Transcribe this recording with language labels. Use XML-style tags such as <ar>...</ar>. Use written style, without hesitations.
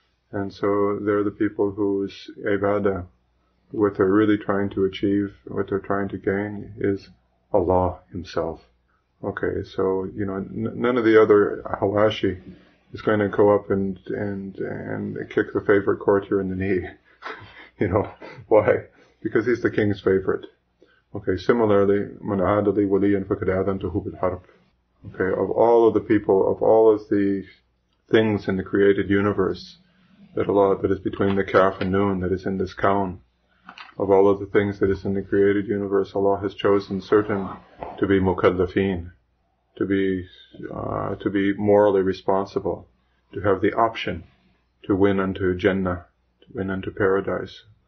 <en>And so they're the people whose ibadah, what they're really trying to achieve, what they're trying to gain, is Allah Himself. Okay, so, you know, none of the other Hawashi is going to go up and kick the favorite courtier in the knee. You know, why? Because he's the king's favorite. Okay, similarly,</en> <ar>من عاد لي وليا فقد أذنته بالحرب.</ar> <en>Okay, of all of the people, of all of the things in the created universe that Allah, that is between the Kaf and Noon, that is in this Kaun, of all of the things that is in the created universe, Allah has chosen certain to be mukallafin, to be morally responsible, to have the option to win unto Jannah, to win unto Paradise.</en>